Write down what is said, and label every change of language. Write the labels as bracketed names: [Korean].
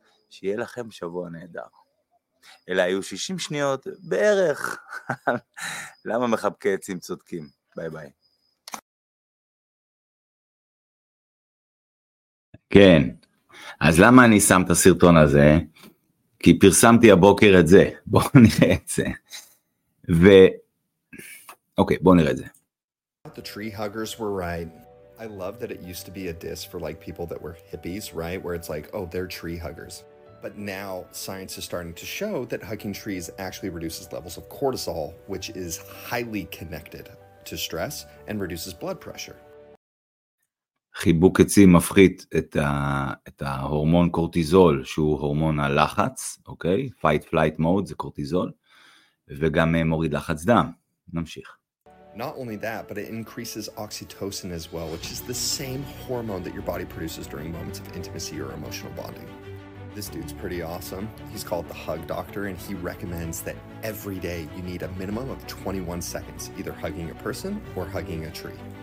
[Hebrew] שיהיה לכם שבוע נהדר. אלה היו 60 שניות בערך, למה מחבקי עצים צודקים? ביי ביי. כן, אז למה אני שם את הסרטון הזה? כי פרסמתי הבוקר את זה, בואו נראה את זה. אוקיי, בואו נראה את זה. [English] The tree huggers were right. I love that it used to be a diss for like people that were hippies, right? Where it's like, oh, they're tree huggers. But now science is starting to show that hugging trees actually reduces levels of cortisol, which is highly connected to stress and reduces blood pressure. [Hebrew] חיבוק עצים מפחית את את ההורמון קורטיזול, שהוא הורמון הלחץ, אוקיי? [English] Fight flight mode, [Hebrew] זה קורטיזול, וגם מוריד לחץ דם. נמשיך. [English] Not only that, but it increases oxytocin as well, which is the same hormone that your body produces during moments of intimacy or emotional bonding. This dude's pretty awesome. He's called the hug doctor and he recommends that every day you need a minimum of 21 seconds either hugging a person or hugging a tree.